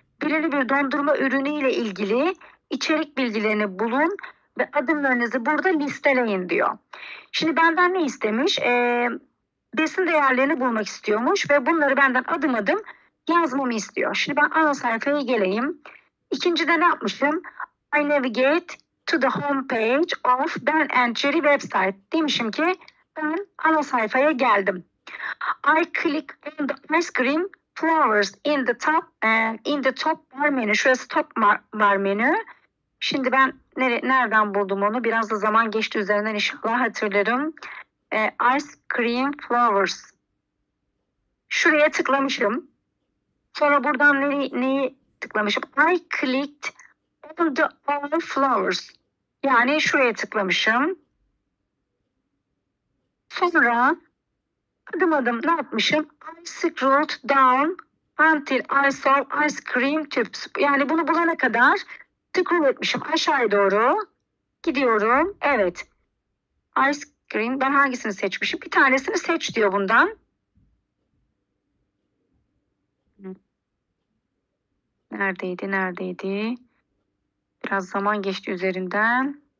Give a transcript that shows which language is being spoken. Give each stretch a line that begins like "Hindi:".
Turkish: Belirli bir dondurma ürünüyle ilgili içerik bilgilerini bulun ve adımlarınızı burada listeleyin diyor. Şimdi benden ne istemiş? Besin değerlerini bulmak istiyormuş ve bunları benden adım adım yazmamı istiyor. Şimdi ben ana sayfaya geleyim. İkinci de ne yapmışım?
English: I navigate to the home page of Ben & Jerry website.
Turkish: Demişim ki ben ana sayfaya geldim. I click on the ice cream flowers in the top bar menu. Şurası top bar menu. Şimdi ben nereden buldum onu? Biraz da zaman geçti üzerinden inşallah hatırlarım. Ice Cream Flowers. Şuraya tıklamışım. Sonra buradan neyi tıklamışım? I clicked on the flowers. Yani şuraya tıklamışım. Sonra adım adım ne yapmışım?
English: I scrolled down until I saw ice cream tubes.
Turkish: Yani bunu bulana kadar scroll etmişim aşağıya doğru. Gidiyorum. Evet. Ice cream. Ben hangisini seçmişim? Bir tanesini seç diyor bundan. Neredeydi? Neredeydi? Biraz zaman geçti üzerinden.